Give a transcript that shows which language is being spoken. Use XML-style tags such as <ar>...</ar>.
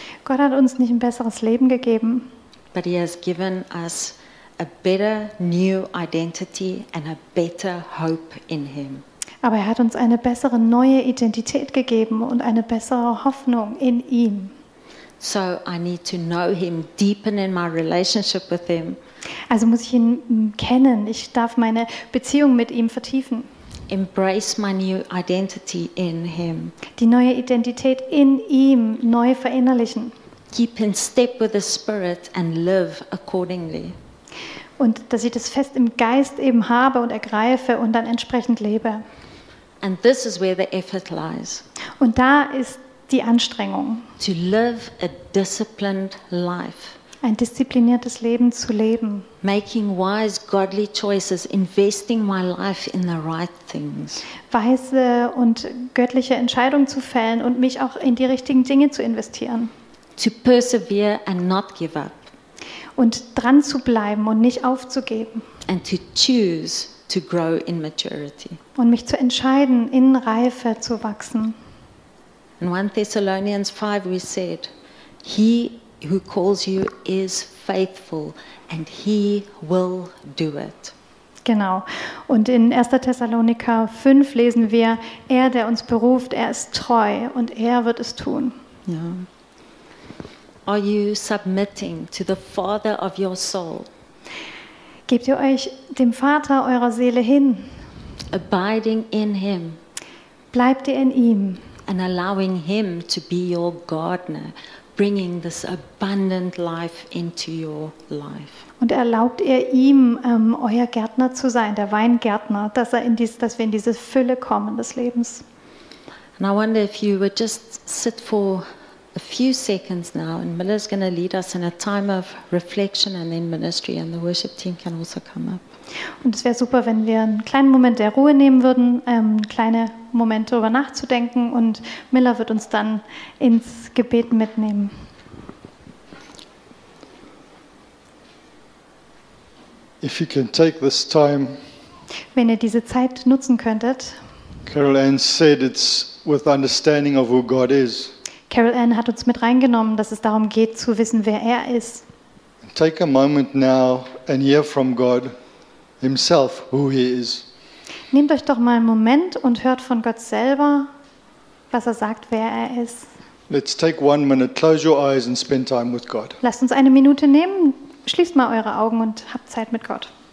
<de>Gott hat uns nicht ein besseres Leben gegeben.</de> <en>But he has given us a better new identity and a better hope in him.</en> <de>Aber er hat uns eine bessere neue Identität gegeben und eine bessere Hoffnung in ihm.</de> <en>So I need to know him, deepen in my relationship with him.</en> <de>Also muss ich ihn kennen. Ich darf meine Beziehung mit ihm vertiefen.</de> <en>Embrace my new identity in him.</en> <de>Die neue Identität in ihm neu verinnerlichen.</de> <en>Keep in step with the Spirit and live accordingly.</en> <de>Und dass ich das fest im Geist eben habe und ergreife und dann entsprechend lebe.</de> <en>And this is where the effort lies.</en> <de>Und da ist die Anstrengung.</de> <en>To live a disciplined life.</en> <de>Ein diszipliniertes Leben zu leben.</de> <en>Making wise, godly choices, investing my life in the right things.</en> <de>Weise und göttliche Entscheidungen zu fällen und mich auch in die richtigen Dinge zu investieren.</de> <en>To persevere and not give up.</en> <de>Und dran zu bleiben und nicht aufzugeben.</de> <en>And to choose to grow in maturity.</en> <de>Und mich zu entscheiden, in Reife zu wachsen.</de> <en>In 1 Thessalonians 5 we said, he who calls you is faithful and he will do it.</en> <de>Genau. Und in 1. Thessalonicher 5 lesen wir, er, der uns beruft, er ist treu und er wird es tun. Ja.</de> <en>Are you submitting to the Father of your soul?</en> <de>Gebt ihr euch dem Vater eurer Seele hin?</de> <en>Abiding in him.</en> <de>Bleibt ihr in ihm?</de> <en>And allowing him to be your gardener, bringing this abundant life into your life.</en> <de>Und erlaubt ihr ihm, euer Gärtner zu sein, der Weingärtner, dass wir in diese Fülle kommen des Lebens?</de> <en>And I wonder if you would just sit for a few seconds now, and Miller's going to lead us in a time of reflection and then ministry, and the worship team can also come up.</en> <de>Und es wäre super, wenn wir einen kleinen Moment der Ruhe nehmen würden, kleine Momente darüber nachzudenken, und Miller wird uns dann ins Gebet mitnehmen.</de> <en>If you can take this time,</en> <de>wenn ihr diese Zeit nutzen könntet,</de> <en>Carol Ann said it's with understanding of who God is.</en> <de>Carol Ann hat uns mit reingenommen, dass es darum geht, zu wissen, wer er ist.</de> <en>Take a moment now and hear from God himself who he is.</en> <de>Nehmt euch doch mal einen Moment und hört von Gott selber, was er sagt, wer er ist.</de> <en>Let's take 1 minute, close your eyes and spend time with God.</en> <de>Lasst uns eine Minute nehmen, schließt mal eure Augen und habt Zeit mit Gott.</de>